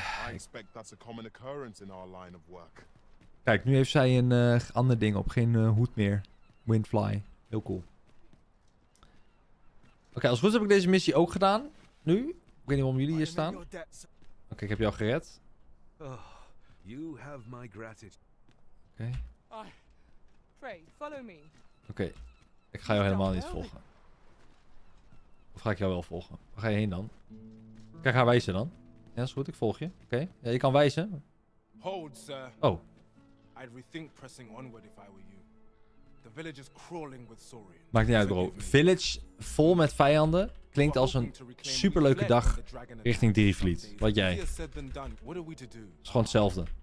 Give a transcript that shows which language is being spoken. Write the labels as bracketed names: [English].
[English] I expect that's a common occurrence in our line of work. [Dutch] Kijk, nu heeft zij een ander ding op. Geen hoed meer. Windfly. Heel cool. Oké, als het goed is heb ik deze missie ook gedaan. Nu. Ik weet niet waarom jullie hier staan. Oké, ik heb jou gered. Oké. [English] Pray, follow me. [Dutch] Oké. Ik ga jou helemaal niet volgen. Of ga ik jou wel volgen? Waar ga je heen dan? Kijk, ga wijzen dan. Ja, is goed. Ik volg je. Oké. Ja, je kan wijzen. [English] Hold, sir. Oh. I'd rethink pressing onward if I were you. The village is crawling with Saurians. [Dutch] Maakt niet uit, bro. Village vol met vijanden klinkt als een superleuke dag richting Drievliet. Wat jij? Het is gewoon hetzelfde.